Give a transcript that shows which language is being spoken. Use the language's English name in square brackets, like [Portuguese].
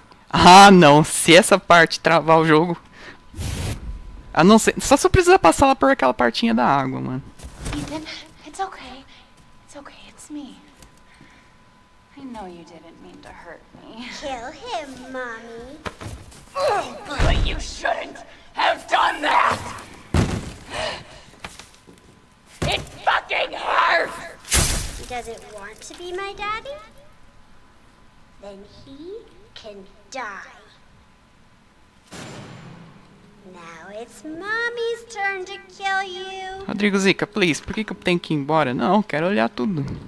[Portuguese] Ah, não. Se essa parte travar o jogo. A não ser. Só se eu precisar passar lá por aquela partinha da água, mano. [English] Ethan, it's okay. It's okay, it's me. I know you didn't mean to hurt. Kill him, mommy. Oh, you shouldn't have done that. It fucking hurts. He doesn't want to be my daddy? Then he can die. Now it's mommy's turn to kill you. [Portuguese] Rodrigo Zica, please, por que eu tenho que ir embora? Não, quero olhar tudo.